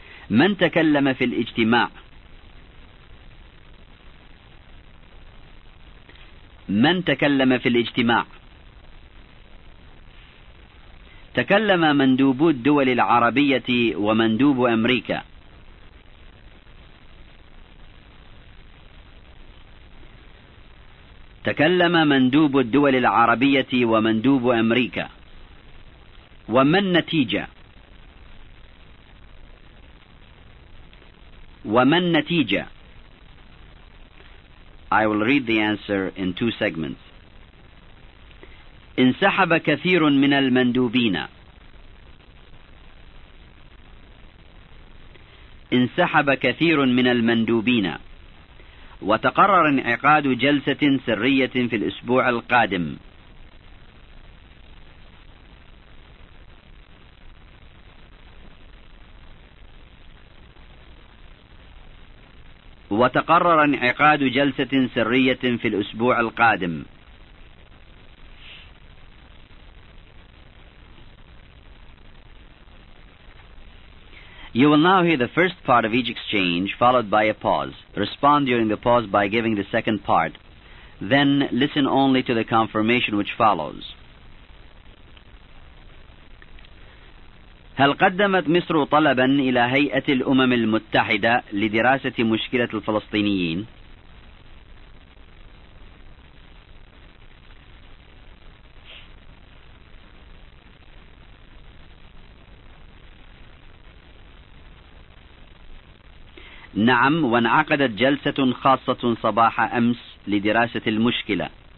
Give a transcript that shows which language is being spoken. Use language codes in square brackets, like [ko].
[ar] من تكلم في الاجتماع؟ من تكلم في الاجتماع؟ تكلم مندوب الدول العربية ومندوب أمريكا. تكلم مندوب الدول العربية ومندوب أمريكا. وما النتيجة؟ وما النتيجة؟ [en] I will read the answer in two segments. [ar] انسحب كثير من المندوبين. انسحب كثير من المندوبين. وتقرر انعقاد جلسة سرية في الأسبوع القادم. وتقرر انعقاد جلسة سرية في الأسبوع القادم. [en] You will now hear the first part of each exchange, followed by a pause. Respond during the pause by giving the second part. Then listen only to the confirmation which follows. [ar] هل قدمت مصر طلبا إلى هيئة الأمم المتحدة لدراسة مشكلة الفلسطينيين؟ نعم، وانعقدت جلسة خاصة صباح أمس لدراسة المشكلة.